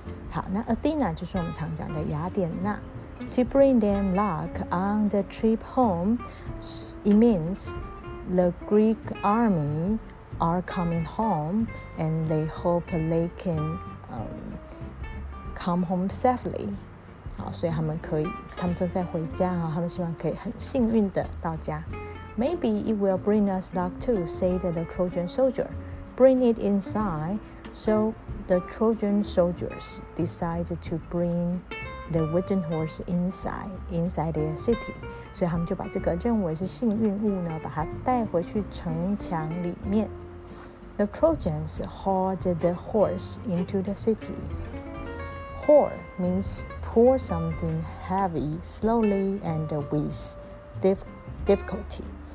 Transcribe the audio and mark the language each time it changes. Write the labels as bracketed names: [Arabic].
[Chinese] 好，那 Athena 就是我们常讲的雅典娜。 [English] To bring them luck on the trip home, it means the Greek army are coming home and they hope they can come home safely. [Chinese] 好，所以他们可以，他们正在回家啊，他们希望可以很幸运的到家。 [English] Maybe it will bring us luck too, said the Trojan soldier. Bring it inside. So the Trojan soldiers decided to bring... The wooden horse inside their city. [Chinese] 所以他们就把这个认为是幸运物呢，把它带回去城墙里面。 [English] The Trojans hauled the horse into the city. Haul means pull something heavy slowly and with difficulty.